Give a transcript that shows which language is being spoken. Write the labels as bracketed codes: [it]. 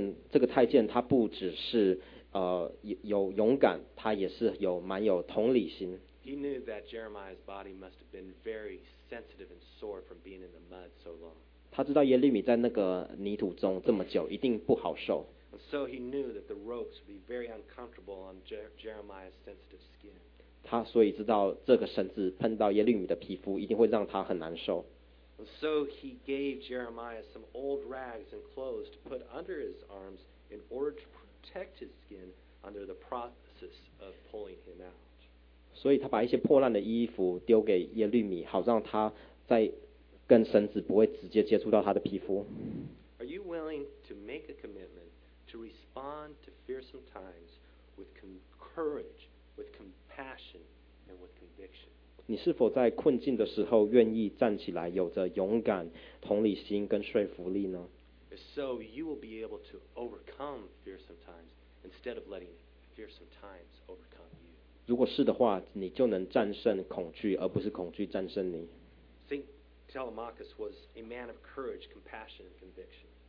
[zh] 这个太监他不只是有勇敢，他也是有蛮有同理心。 [en] He knew that Jeremiah's body must have been very sensitive and sore from being in the mud so long. [zh] 他知道耶利米在那个泥土中这么久，一定不好受。 [en] And so he knew that the ropes would be very uncomfortable on Jeremiah's sensitive skin. [zh] 他所以知道这个绳子碰到耶利米的皮肤，一定会让他很难受。 [en] And so he gave Jeremiah some old rags and clothes to put under his arms in order to protect his skin under the process of pulling him out. [zh] 所以他把一些破烂的衣服丢给耶律米，好让他在跟绳子不会直接接触到他的皮肤。 [en] Are you willing to make a commitment to respond to fearsome times with courage, with compassion, and with conviction? [zh] 你是否在困境的时候愿意站起来，有着勇敢、同理心跟说服力呢？ [en] If so, you will be able to overcome fearsome times instead of letting fearsome times overcome you. [zh] 如果是的话，你就能战胜恐惧，而不是恐惧战胜你。 [en] Saint Telemachus was a man of courage, compassion, and conviction.